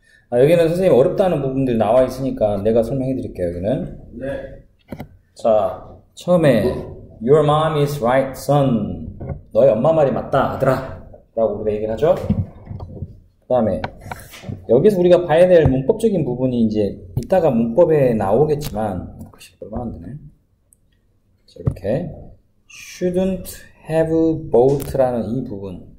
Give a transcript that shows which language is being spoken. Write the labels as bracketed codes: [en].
[ko] 아, 여기는 선생님 어렵다는 부분들이 나와 있으니까 내가 설명해 드릴게요, 여기는. 네. [en] 자, 처음에, Your mom is right, son. [ko] 너의 엄마 말이 맞다, 아들아. 라고 우리가 얘기를 하죠. 그 다음에, 여기서 우리가 봐야 될 문법적인 부분이 이제, 이따가 문법에 나오겠지만, 혹시 얼마 안 되네. 자, 이렇게. [en] shouldn't have both [ko] 라는 이 부분.